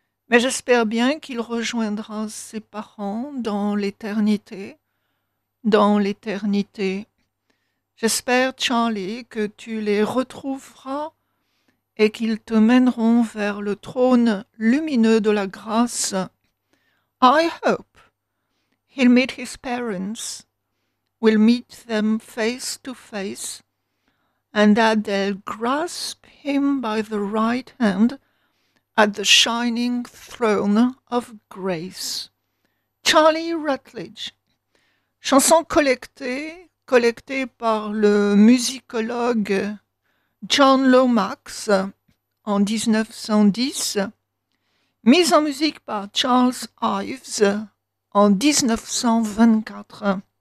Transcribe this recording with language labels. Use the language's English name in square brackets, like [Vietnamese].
[French] Mais j'espère bien qu'il rejoindra ses parents dans l'éternité. Dans l'éternité. J'espère, Charlie, que tu les retrouveras et qu'ils te mèneront vers le trône lumineux de la grâce. [English] I hope he'll meet his parents. We'll meet them face to face. And that they'll grasp him by the right hand at the shining throne of grace. Charlie Rutledge. [French] Chanson collectée par le musicologue John Lomax en 1910, mise en musique par Charles Ives en 1924.